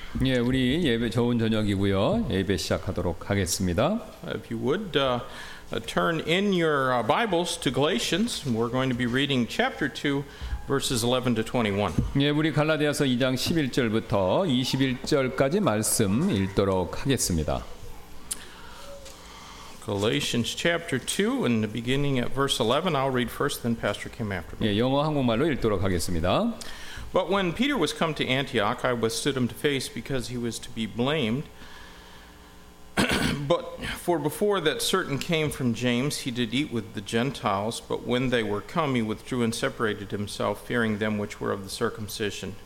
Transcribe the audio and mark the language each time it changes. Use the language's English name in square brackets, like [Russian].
[Korean] 예, 우리 예배 좋은 저녁이고요. 예배 시작하도록 하겠습니다. [English] If you would turn in your Bibles to Galatians, we're going to be reading chapter 2, verses 11 to 21. [Korean] 예, 우리 갈라디아서 2장 11절부터 21절까지 말씀 읽도록 하겠습니다. [English] Galatians chapter 2, and beginning at verse 11, I'll read first, then Pastor Kim after me. [Korean] 예, 영어 한국말로 읽도록 하겠습니다. [English] But when Peter was come to Antioch, I withstood him to face, because he was to be blamed. But for before that certain came from James, he did eat with the Gentiles. But when they were come, he withdrew and separated himself, fearing them which were of the circumcision.